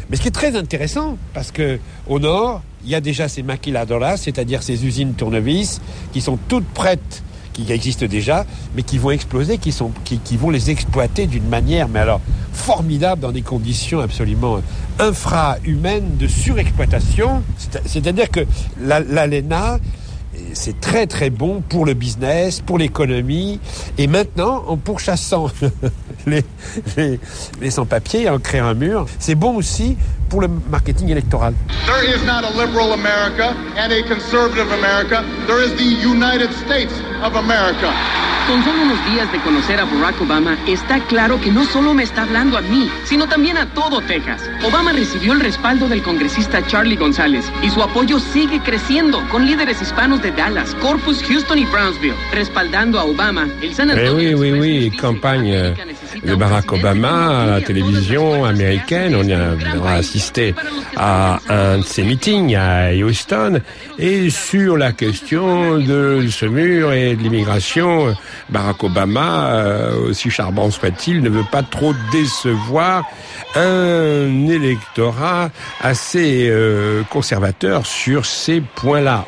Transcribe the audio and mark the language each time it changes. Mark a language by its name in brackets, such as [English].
[French] Mais ce qui est très intéressant, parce que au nord, il y a déjà ces maquiladoras, c'est-à-dire ces usines tournevis, qui sont toutes prêtes, qui existent déjà, mais qui vont exploser, qui vont les exploiter d'une manière, mais alors, formidable, dans des conditions absolument infra-humaines de surexploitation. C'est-à-dire que l'ALENA, c'est très très bon pour le business, pour l'économie, et maintenant, en pourchassant les sans-papiers, en créant un mur, c'est bon aussi pour le marketing électoral. [English] There is not a liberal America and a conservative America. There is the United States of America. [Spanish] Con solo unos días de conocer a Barack Obama, está claro que no solo me está hablando a mí, sino también a todo Texas. Obama recibió el respaldo del congresista Charlie González y su apoyo sigue creciendo con líderes hispanos de Dallas, Corpus, Houston y Brownsville. Respaldando a Obama, el San Antonio... [French] Oui, campagne de Barack Obama à la télévision américaine. On a assisté à un de ses meetings à Houston et sur la question de ce mur et de l'immigration, Barack Obama, aussi charmant soit-il, ne veut pas trop décevoir un électorat assez conservateur sur ces points-là.